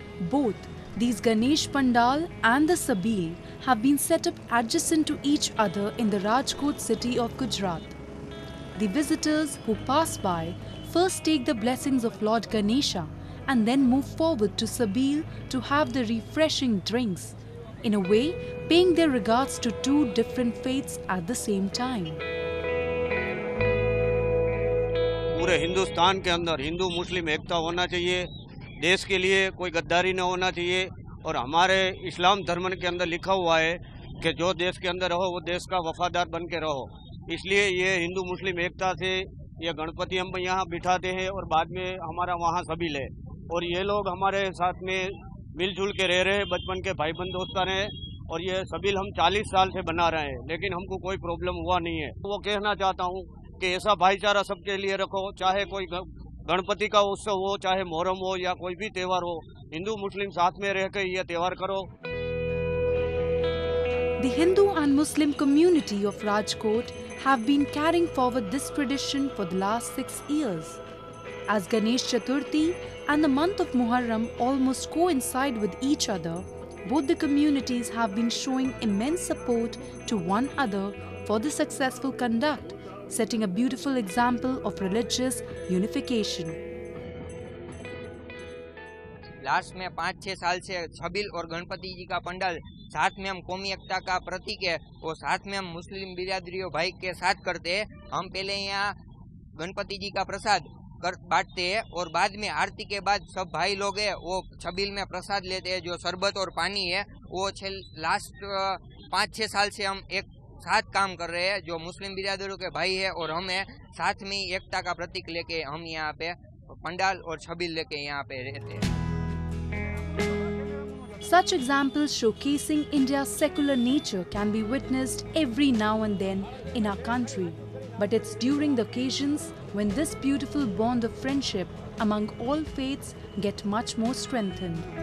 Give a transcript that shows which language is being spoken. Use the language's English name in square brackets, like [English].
[English] Both these Ganesh Pandal and the sabil have been set up adjacent to each other in the Rajkot city of Gujarat. The visitors who pass by first take the blessings of Lord Ganesha and then move forward to sabil to have the refreshing drinks, in a way paying their regards to two different faiths at the same time. [Hindi] पूरे हिंदुस्तान के अंदर हिंदू मुस्लिम एकता होना चाहिए, देश के लिए कोई गद्दारी न होना चाहिए और हमारे इस्लाम धर्म के अंदर लिखा हुआ है कि जो देश के अंदर रहो वो देश का वफादार बन के रहो, इसलिए ये हिंदू मुस्लिम एकता से ये गणपति हम यहाँ बिठाते हैं और बाद में हमारा वहाँ सभी ले और ये लोग हमारे साथ में मिलजुल के रह रहे हैं, बचपन के भाई बहन दोस्त रहे और ये सभी हम 40 साल से बना रहे हैं लेकिन हमको कोई प्रॉब्लम हुआ नहीं है। वो कहना चाहता हूँ कि ऐसा भाईचारा सबके लिए रखो, चाहे कोई गणपति का उत्सव हो, चाहे मोहर्रम हो या कोई भी त्यौहार हो, हिंदू मुस्लिम साथ में रह के ये त्यौहार करो। [English] The Hindu and Muslim community of Rajkot have been carrying forward this tradition for the last 6 years. As Ganesh Chaturthi and the month of Muharram almost coincide with each other, both the communities have been showing immense support to one other for the successful conduct, setting a beautiful example of religious unification. [Hindi] Last में 5-6 साल से छबिल और गणपति जी का पंडाल साथ में हम कौमी एकता का प्रतीक है वो साथ में हम मुस्लिम बिरादरियों भाई के साथ करते हैं। हम पहले यहाँ गणपति जी का प्रसाद बांटते हैं और बाद में आरती के बाद सब भाई लोग है वो छबिल में प्रसाद लेते हैं, जो शरबत और पानी है वो लास्ट 5-6 साल से हम एक साथ काम कर रहे हैं, जो मुस्लिम बिरादरियों के भाई है और हम है साथ में एकता का प्रतीक लेके हम यहाँ पे पंडाल और छबिल लेके यहाँ पे रहते हैं। [English] Such examples showcasing India's secular nature can be witnessed every now and then in our country. But it's during the occasions when this beautiful bond of friendship among all faiths get much more strengthened.